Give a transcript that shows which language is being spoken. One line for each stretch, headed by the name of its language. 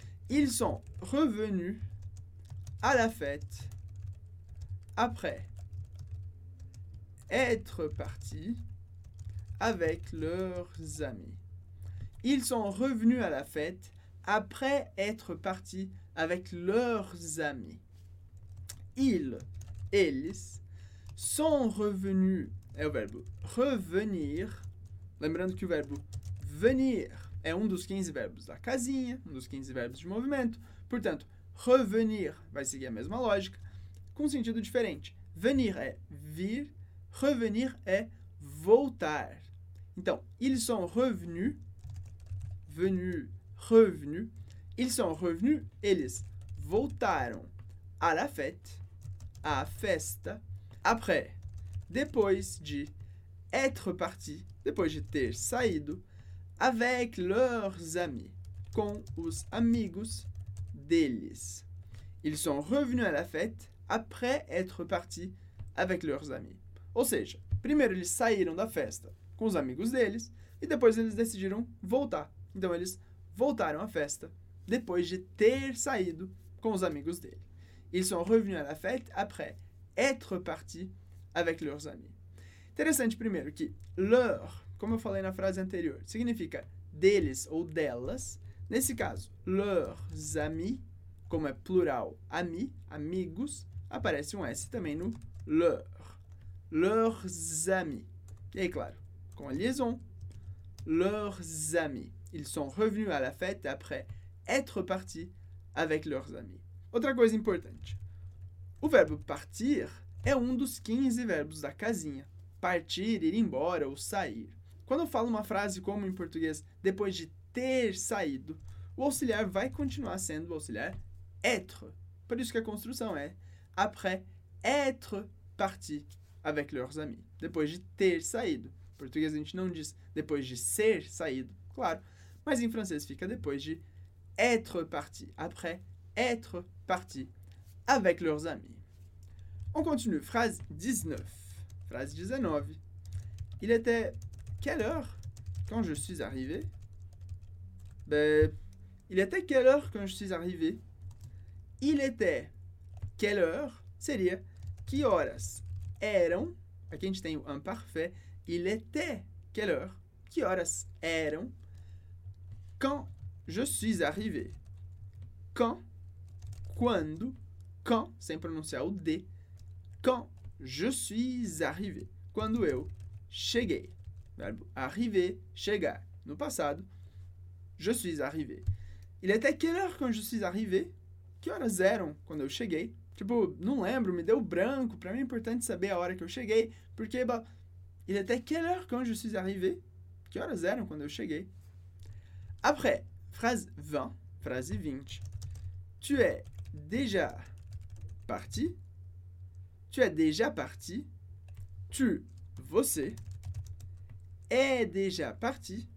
French: Ils sont revenus à la fête après être partis avec leurs amis. Ils sont revenus à la fête après être partis avec leurs amis. Ils, eles, sont revenus
Portuguese: é o verbo revenir. Lembrando que o verbo venir é um dos 15 verbos da casinha, um dos 15 verbos de movimento. Portanto, revenir vai seguir a mesma lógica, com sentido diferente. Venir é vir, revenir é voltar.
French: Então, ils sont revenus, venu, revenu. Ils sont revenus,
Portuguese: eles voltaram
French: à la fête,
Portuguese: à festa, après, depois de
French: être parti,
Portuguese: depois de ter saído,
French: avec leurs amis,
Portuguese: com os amigos deles.
French: Ils sont revenus à la fête après être partis avec leurs amis.
Portuguese: Ou seja, primeiro eles saíram da festa com os amigos deles e depois eles decidiram voltar. Então eles voltaram à festa depois de ter saído com os amigos dele.
French: Ils sont revenus à la fête après être partis avec leurs amis.
Portuguese: Interessante primeiro que leur, como eu falei na frase anterior, significa deles ou delas. Nesse caso, leurs amis, como é plural, amis, amigos, aparece um S também no leur.
French: Leurs amis.
Portuguese: E aí, claro, com a liaison,
French: leurs amis. Ils sont revenus à la fête après être partis avec leurs amis.
Portuguese: Outra coisa importante. O verbo partir é um dos 15 verbos da casinha. Partir, ir embora ou sair. Quando eu falo uma frase como em português, depois de ter saído, o auxiliar vai continuar sendo o auxiliar être. Por isso que a construção é
French: après être parti avec leurs amis.
Portuguese: Depois de ter saído. Em português a gente não diz depois de ser saído, claro. Mas em francês fica depois de
French: être parti. Après être parti avec leurs amis. On continue. Phrase 19. Phrase 19. Il était quelle heure quand je suis arrivé? Il était quelle heure quand je suis arrivé? Il était quelle heure?
Portuguese: Seria que horas eram? Aqui a gente tem o imparfait.
French: Il était quelle heure?
Portuguese: Que horas eram?
French: Quand je suis arrivé? Quand? Quando? Quand?
Portuguese: Sem pronunciar o D.
French: Quand je suis arrivé?
Portuguese: Quando eu cheguei. Verbo arriver, chegar. No passado.
French: Je suis arrivé. Il était quelle heure quand je suis arrivé?
Portuguese: Que horas eram quando eu cheguei? Tipo, não lembro, me deu branco. Pra mim é importante saber a hora que eu cheguei.
French: Porque, il était quelle heure quand je suis arrivé?
Portuguese: Que horas eram quando eu cheguei?
French: Après, phrase 20. Phrase 20. Tu es déjà parti? Tu es déjà parti? Tu, você, est déjà parti?